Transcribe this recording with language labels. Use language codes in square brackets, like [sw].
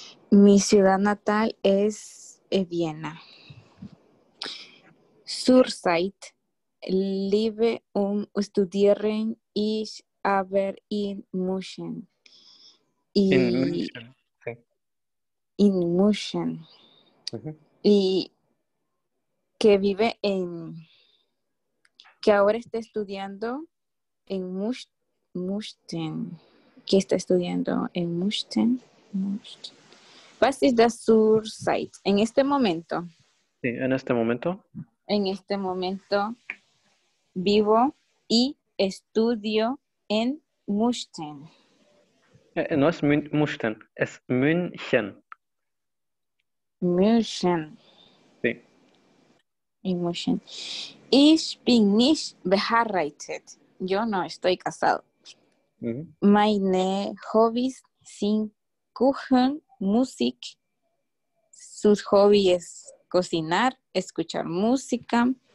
[es] Mi ciudad natal es Vienna. [de] Zurzeit lebe und studiere ich aber in München. In München. [es] Y que vive en, que ahora está estudiando en Münsten. ¿Qué está estudiando en Münsten? [de] Was ist das zur Zeit? [es] En este momento. Sí, en este momento. En este momento vivo y estudio en Münsten. No es Münsten, es München. München. Emotion. [de] Ich bin nicht beheiratet. [es] Yo no estoy casado. Mm-hmm. [de] Meine Hobbys sind Kuchen, Musik. [es] Sus hobbies cocinar, escuchar música.